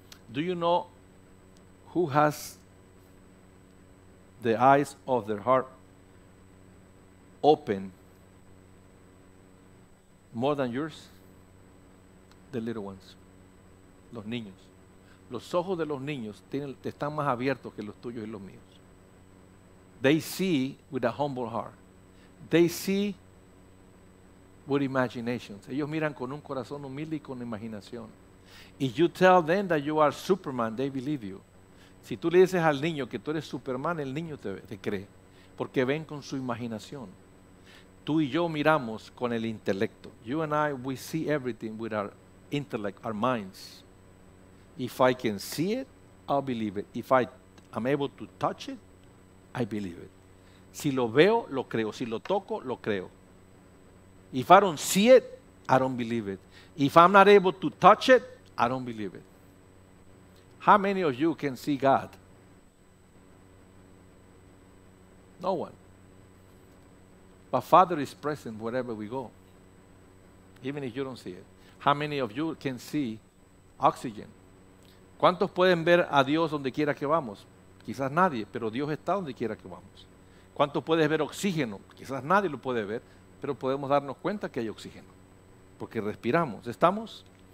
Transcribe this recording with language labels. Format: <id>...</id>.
<en>Do you know who has the eyes of their heart open more than yours? The little ones,</en> <es>los niños. Los ojos de los niños están más abiertos que los tuyos y los míos.</es> <en>They see with a humble heart. They see with imaginations.</en> <es>Ellos miran con un corazón humilde y con imaginación.</es> <en>If you tell them that you are Superman, they believe you.</en> <es>Si tú le dices al niño que tú eres Superman, el niño te cree, porque ven con su imaginación. Tú y yo miramos con el intelecto.</es> <en>You and I, we see everything with our intellect, our minds. If I can see it, I'll believe it. If I am able to touch it, I believe it.</en> <es>Si lo veo, lo creo. Si lo toco, lo creo.</es> <en>If I don't see it, I don't believe it. If I'm not able to touch it, I don't believe it. How many of you can see God? No one. But Father is present wherever we go, even if you don't see it. How many of you can see oxygen?</en> <es>¿Cuántos pueden ver a Dios donde quiera que vamos? Quizás nadie, pero Dios está donde quiera que vamos. ¿Cuántos puedes ver oxígeno? Quizás nadie lo puede ver, pero podemos darnos cuenta que hay oxígeno, porque respiramos. ¿Estamos?</es>